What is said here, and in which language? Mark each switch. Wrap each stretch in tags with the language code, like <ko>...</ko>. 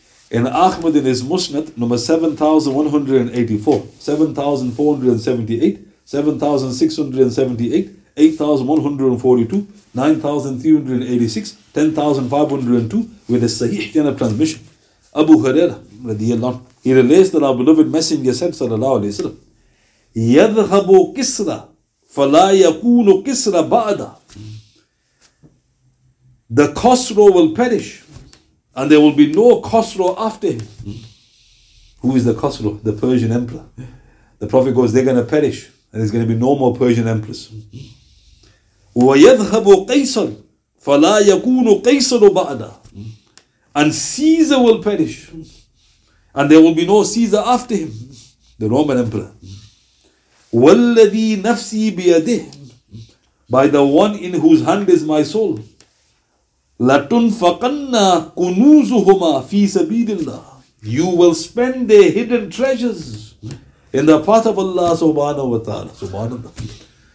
<en>In Ahmad in his Musnad, number 7,178, 7,642, 9,402, 9,386, 10,502, with a Sahih and a transmission. Abu Huraira, radiallahu anhu, he relays that our beloved Messenger said, sallallahu alayhi wa sallam,</en> <ar>Yadhabu Kisra, Falayakunu Kisra Ba'da.</ar> <en>The Khosro will perish. And there will be no Khosro after him. Who is the Khosro? The Persian emperor. The Prophet goes, they're going to perish. And there's going to be no more Persian emperors.</en> <ar>وَيَذْهَبُ قَيْسَرُ فَلَا يَكُونُ قَيْسَرُ بَعْدَ</ar> <en>And Caesar will perish. And there will be no Caesar after him. The Roman emperor.</en> <ar>وَالَّذِي نَفْسِي بِيَدِهِ</ar> <en>By the one in whose hand is my soul.</en> <ar>لَتُنْفَقَنَّا كُنُوزُهُمَا فِي سَبِيلِ اللَّهِ</ar> <en>You will spend their hidden treasures in the path of Allah subhanahu wa ta'ala. Subhanallah.</en>